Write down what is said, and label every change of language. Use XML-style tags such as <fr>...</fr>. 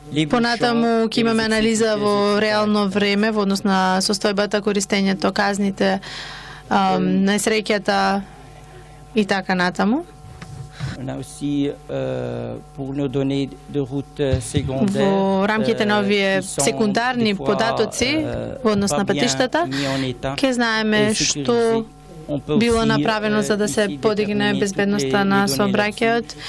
<mk>Понатаму ќе имаме анализа во реално време во однос на состојбата, користењето, казните, несреќата и така натаму.</mk> <fr>On a aussi pour nos données de route secondaire.</fr> <mk>Во рамките на овие секундарни податоци во однос на патиштата, ќе знаеме што било направено за да се подигне безбедноста на сообраќајот.</mk>